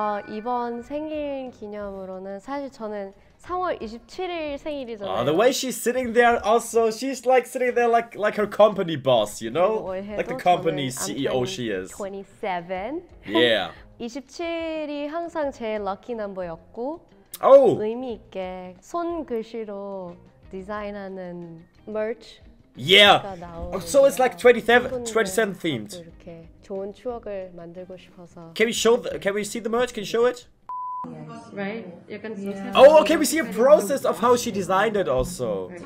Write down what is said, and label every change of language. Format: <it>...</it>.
<ko>이번 생일 기념으로는 사실 저는 3월 27일 생일이잖아요.</ko> <en>The way she's sitting there also, she's like sitting there like her company boss, you know? Like the company CEO she is. 27. Yeah.</en> <ko>27이 항상 제 럭키 넘버였고</ko> <en>oh.</en> <ko>의미 있게 손 글씨로 디자인하는 merch.</ko> <en>Yeah. So it's like 27 themed.</en> <ko>이렇게 좋은 추억을 만들고 싶어서.</ko> <en>Can we show? Can we see the merch? Can you show it? Yes. Right? Yeah. Oh, okay. We see a process of how she designed it also.</en>